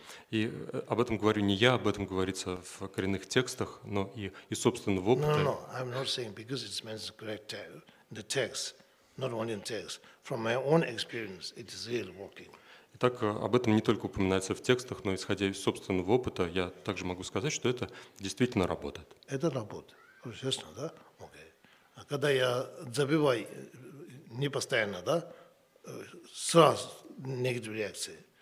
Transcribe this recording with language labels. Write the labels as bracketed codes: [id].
[ru] И об этом говорю не я, об этом говорится в коренных текстах, но и собственного опыта. [en] No, I'm not saying because it's mentioned correct in the text, not only in text. From my own experience, it is really working. [ru] Итак, об этом не только упоминается в текстах, но исходя из собственного опыта, я также могу сказать, что это действительно работает. Это работает, честно, да? Окей. А когда я забиваю не постоянно, да, сразу негативные реакции.